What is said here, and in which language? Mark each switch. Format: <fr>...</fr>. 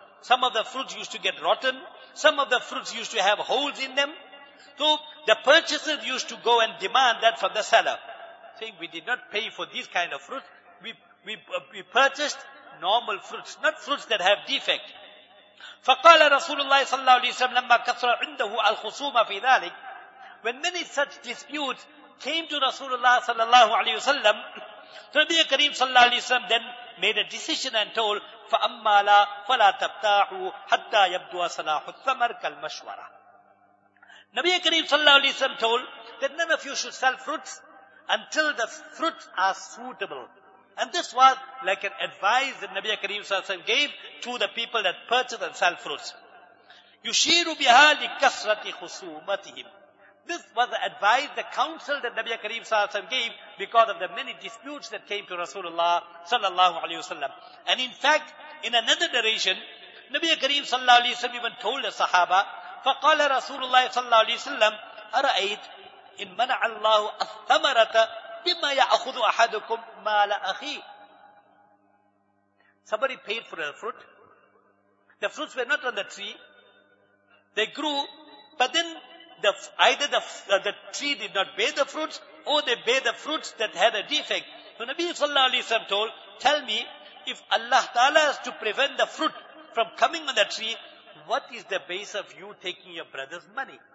<en>Some of the fruits used to get rotten. Some of the fruits used to have holes in them. So the purchasers used to go and demand that from the seller, saying, we did not pay for these kind of fruits. We purchased normal fruits, not fruits that have defect.</en> <ar>فقال رسول الله صلى الله عليه وسلم لما كثر عنده الخصومة في ذلك.</ar> <en>When many such disputes came to Rasulullah صلى الله عليه وسلم, Nabi Kareem صلى الله عليه وسلم then made a decision and told,</en> <ar>فَأَمَّا لَا فَلَا تَبْتَاعُوا حَتَّى يَبْدُوَ صَلَاحُ الثَّمَرْ كَالْمَشْوَرَى.</ar> <en>Nabi Kareem صلى الله عليه وسلم told that none of you should sell fruits until the fruits are suitable. And this was like an advice that Nabi Kareem صلى الله عليه وسلم gave to the people that purchase and sell fruits.</en> <ar>يُشِيرُ بِهَا لِكَسْرَةِ خُسُومَتِهِمْ.</ar> <en>This was the advice, the counsel that Nabi Kareem صلى الله عليه وسلم gave because of the many disputes that came to Rasulullah صلى الله عليه وسلم. And in fact, in another narration, Nabi Kareem صلى الله عليه وسلم even told the Sahaba,</en> <ar>فَقَالَ رَسُولُ اللَّهِ صلى الله عليه وسلم, أَرَأَيْتْ إِن مَنَعَ اللَّهُ الثَّمَرَةَ بِمَّا يَأْخُذُ أَحَدُكُمْ مَالَ أَخِيهِ.</ar> <en>Somebody paid for the fruit. The fruits were not on the tree. They grew, but then either the tree did not bear the fruits, or they bear the fruits that had a defect. So Nabi sallallahu alayhi wa sallam told, tell me, if Allah ta'ala has to prevent the fruit from coming on the tree, what is the base of you taking your brother's money?</en>